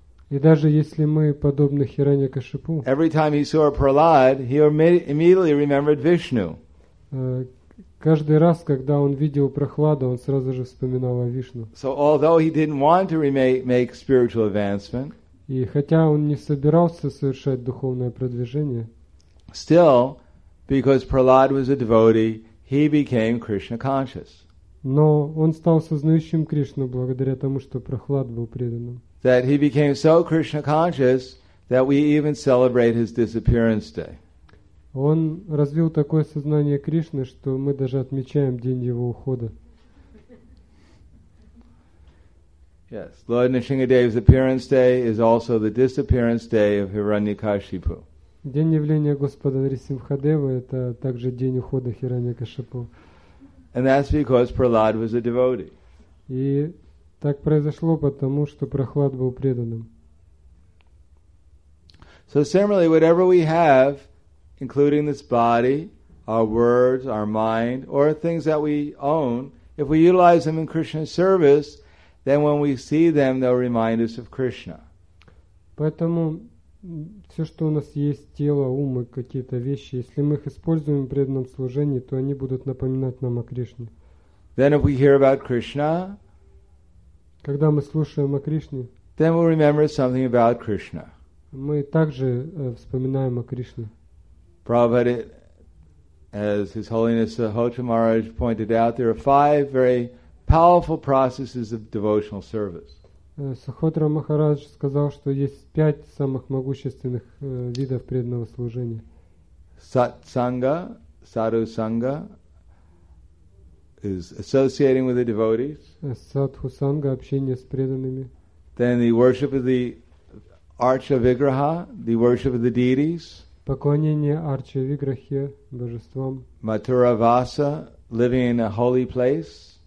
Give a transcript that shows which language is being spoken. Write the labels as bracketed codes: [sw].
[ru] и даже если мы подобны Хираньякашипу, [en] every time he saw Prahlad, he immediately remembered Vishnu. [ru] Каждый раз, когда он видел Прохлада, он сразу же вспоминал о Вишну. [en] So although he didn't want to make spiritual advancement, [ru] и хотя он не собирался совершать духовное продвижение, [en] still, because Prahlad was a devotee, he became Krishna conscious. [ru] Но он стал сознающим Кришну благодаря тому, что Прохлад был преданным. [en] That he became so Krishna conscious that we even celebrate his disappearance day. [ru] Он развил такое сознание Кришны, что мы даже отмечаем день его ухода. [en] Yes, Lord Nrisimhadev's appearance day is also the disappearance day of Hiranyakashipu. [ru] День явления Господа Нрисимхадевы – это также день ухода Хираньякашипу. [en] And that's because Prahlad was a devotee. [ru] И так произошло потому, что Прохлад был преданным. [en] So similarly, whatever we have, including this body, our words, our mind, or things that we own, if we utilize them in Krishna's service, then when we see them, they'll remind us of Krishna. [ru] Поэтому все, что у нас есть, тело, ум и какие-то вещи, если мы их используем в преданном служении, то они будут напоминать нам о Кришне. [en] Then if we hear about Krishna, [ru] когда мы слушаем о Кришне, [en] then we'll remember something about Krishna. [ru] Мы также вспоминаем о Кришне. [en] Prabhupada, as His Holiness Sahota Maharaj pointed out, there are five very powerful processes of devotional service. [ru] Сухотра Махарадж сказал, что есть пять самых могущественных видов преданного служения. [en] Сатсанга, садхусанга, is associating with the devotees. [ru] Садхусанга, общение с преданными. [en] Then the worship of the Archa Vigraha, the worship of the deities. [ru] Поклонение Арча Виграхе, божествам. [en] Матура Васа, living in a holy place.